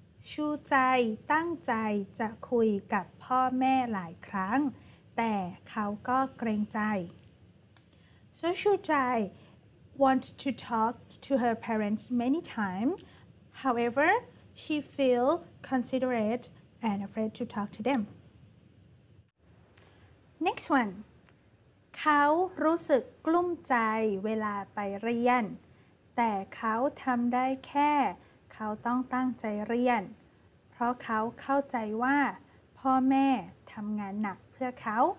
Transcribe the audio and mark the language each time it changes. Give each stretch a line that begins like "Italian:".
Thai: ชูใจตั้งใจจะคุยกับพ่อแม่หลายครั้งแต่เขาก็เกรงใจ
English: So Shu Jai wants to talk to her parents many times. However, she feels considerate and afraid to talk to them. Next one.
Thai: เขารู้สึกกลุ้มใจเวลาไปเรียนแต่เขาทำได้แค่เขาต้องตั้งใจเรียนเพราะเขาเข้าใจว่าพ่อแม่ทำงานหนักเพื่อเขา